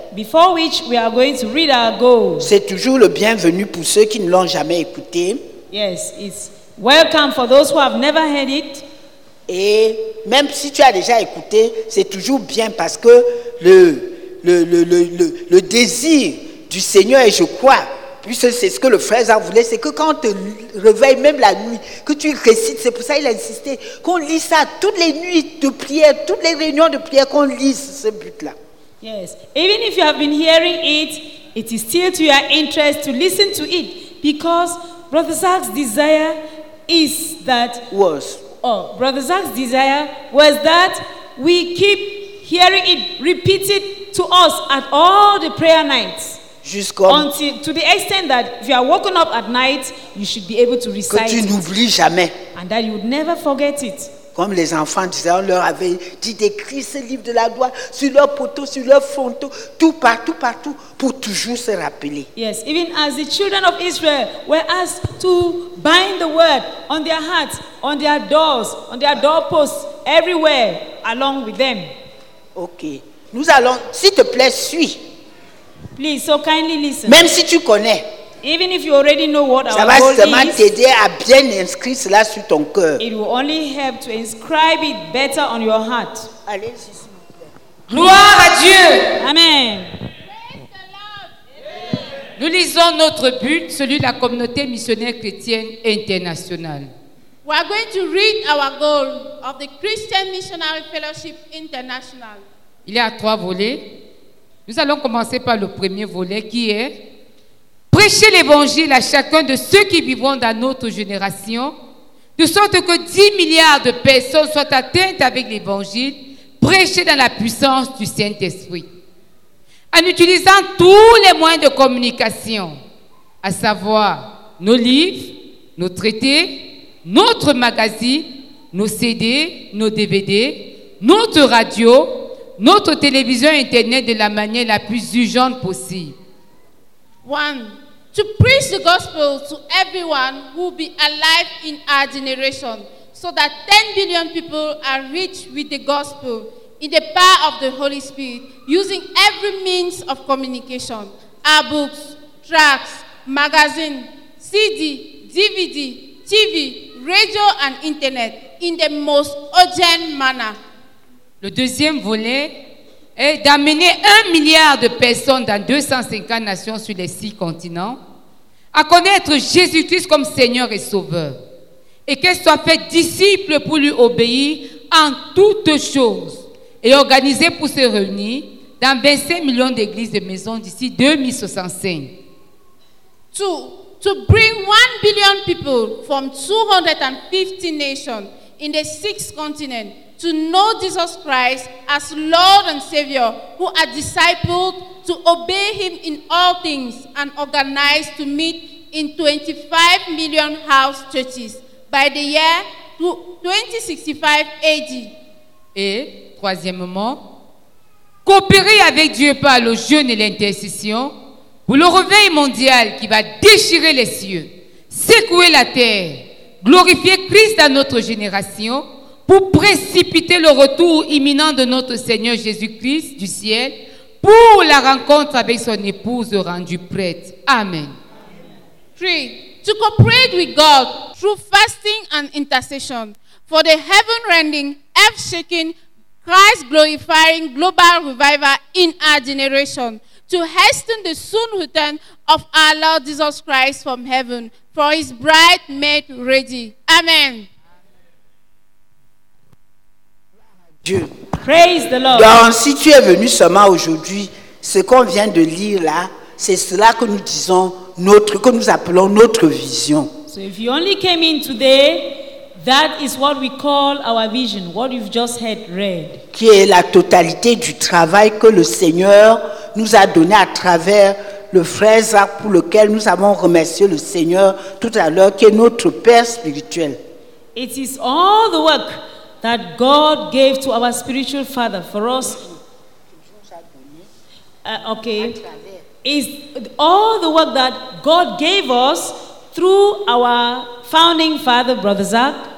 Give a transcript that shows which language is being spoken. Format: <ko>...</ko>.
<en>Before which we are going to read our goal.</en> <fr>C'est toujours le bienvenu pour ceux qui ne l'ont jamais écouté.</fr> <en>Yes, it's welcome for those who have never heard it.</en> <fr>Et même si tu as déjà écouté, c'est toujours bien parce que le désir du Seigneur, et je crois, puisque c'est ce que le frère Zan voulait, c'est que quand on te réveille, même la nuit, que tu récites, c'est pour ça qu'il a insisté, qu'on lise ça toutes les nuits de prière, toutes les réunions de prière, qu'on lise ce but-là.</fr> <en>Yes, even if you have been hearing it, it is still to your interest to listen to it, because Brother Zan's desire is that... Was. Oh, Brother Zan's desire was that we keep hearing it repeated to us at all the prayer nights. Until, to the extent that if you are woken up at night, you should be able to recite</en> <fr>que tu n'oublies jamais.</fr> <en>And that you would never forget it.</en> <fr>Comme les enfants disaient, on leur avait dit d'écrire ce livre de la loi sur leur poteau, sur leur fronteau, tout partout, pour toujours se rappeler.</fr> <en>Yes, even as the children of Israel were asked to bind the word on their hearts, on their doors, on their doorposts, everywhere, along with them.</en> <fr>Ok, nous allons, s'il te plaît, suis.</fr> <en>Please, so kindly listen.</en> <fr>Même si tu connais,</fr> <en>even if you already know what</en> <fr>ça va seulement t'aider à bien inscrire cela sur ton cœur.</fr> <en>It will only help to inscribe it better on your heart.</en> <fr>Allez, s'il vous plaît. Gloire à Dieu. Amen. Nous lisons notre but, celui de la communauté missionnaire chrétienne internationale.</fr> <en>We are going to read our goal of the Christian Missionary Fellowship International.</en> <fr>Il y a trois volets. Nous allons commencer par le premier volet qui est « Prêcher l'évangile à chacun de ceux qui vivront dans notre génération, de sorte que 10 milliards de personnes soient atteintes avec l'évangile, prêché dans la puissance du Saint-Esprit. En utilisant tous les moyens de communication, à savoir nos livres, nos traités, notre magazine, nos CD, nos DVD, notre radio, notre télévision internet de la manière la plus urgente possible.</fr> <en>1. To preach the gospel to everyone who will be alive in our generation, so that 10 billion people are rich with the gospel in the power of the Holy Spirit, using every means of communication, our books, tracts, magazine, CD, DVD, TV, radio and internet, in the most urgent manner.</en> <fr>Le deuxième volet est d'amener 1 milliard de personnes dans 250 nations sur les 6 continents à connaître Jésus-Christ comme Seigneur et Sauveur et qu'elles soient faites disciples pour lui obéir en toutes choses et organiser pour se réunir dans 25 millions d'églises de maisons d'ici 2065.</fr> <en>2. To bring 1 billion people from 250 nations in the 6 continents to know Jesus Christ as Lord and Savior, who are discipled to obey him in all things and organized to meet in 25 million house churches by the year 2065 AD.</en> <fr>Et, troisièmement, coopérer avec Dieu par le jeûne et l'intercession pour le réveil mondial qui va déchirer les cieux, secouer la terre, glorifier Christ dans notre génération pour précipiter le retour imminent de notre Seigneur Jésus-Christ du ciel pour la rencontre avec son épouse rendue prête. Amen.</fr> <en>3. To cooperate with God through fasting and intercession for the heaven-rending, earth-shaking, Christ-glorifying global revival in our generation, to hasten the soon return of our Lord Jesus Christ from heaven for his bride made ready. Amen.</en> <fr>Dieu.</fr> <en>Praise the Lord.</en> <fr>Donc, si tu es venu seulement aujourd'hui, ce qu'on vient de lire là, c'est cela que nous disons notre, que nous appelons notre vision.</fr> <en>So if you only came in today, that is what we call our vision, what you've just heard read.</en> <fr>Qui est la totalité du travail que le Seigneur nous a donné à travers le frère Zach, pour lequel nous avons remercié le Seigneur tout à l'heure, qui est notre père spirituel.</fr> <en>It is all the work that God gave to our spiritual father for us. Okay. Is all the work that God gave us through our founding father, Brother Zach,</en>